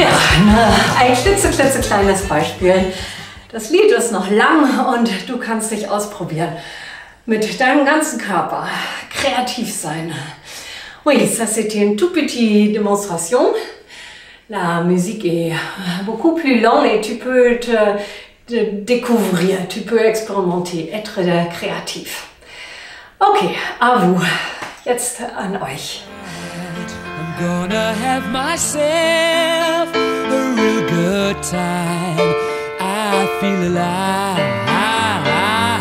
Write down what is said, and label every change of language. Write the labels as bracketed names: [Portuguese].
[German] Ja, ein klitzekleines Beispiel. Das Lied ist noch lang und du kannst dich ausprobieren mit deinem ganzen Körper. Kreativ sein. [French] Oui, ça c'était une toute petite démonstration. La musique est beaucoup plus longue et tu peux te découvrir, tu peux expérimenter, être créatif. [German] Okay, [French] à vous. [German] Jetzt an euch. [English] I'm gonna have myself a real good time. I feel alive.